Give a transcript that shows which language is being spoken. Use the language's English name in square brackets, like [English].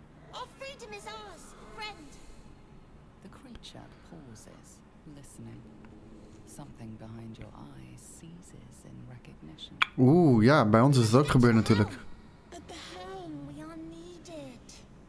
[English] Our freedom is ours, friend. The creature pauses, listening. Something behind your eyes seizes in recognition. [Dutch] Oeh, ja, bij ons is het ook gebeurd natuurlijk. [English] But the helm, we are needed.